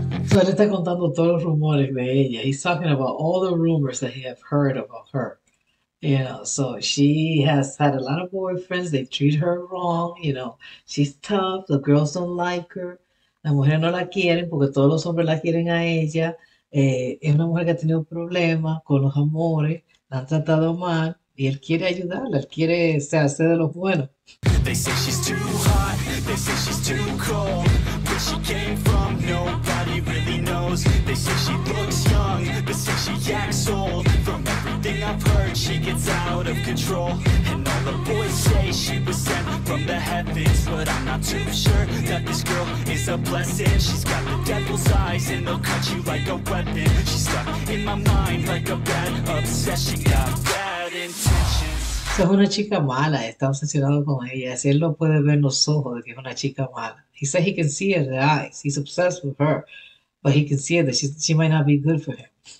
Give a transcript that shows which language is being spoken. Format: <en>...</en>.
<es>So él está contando todos los rumores de ella.</es> <en>He's talking about all the rumors that he have heard about her. You know, so she has had a lot of boyfriends. They treat her wrong. You know, she's tough. The girls don't like her.</en> <es>Las mujeres no la quieren porque todos los hombres la quieren a ella. Es una mujer que ha tenido problemas con los amores. La han tratado mal. Y él quiere ayudarla. Él quiere se hacer de los buenos.</es> <en>They say she's too hot. They say she's too cold. Where she came from, nobody really knows. They say she looks young, but say she acts old. From everything I've heard, she gets out of control. And all the boys say she was sent from the heavens. But I'm not too sure that this girl is a blessing. She's got the devil's eyes and they'll cut you like a weapon. She's stuck in my mind like a bad obsession. Got bad intentions.</en> <es>Es una chica mala, está obsesionado con ella, así él lo puede ver en los ojos de que es una chica mala.</es> <en>He says he can see her in the eyes, he's obsessed with her, but he can see that she might not be good for him.</en>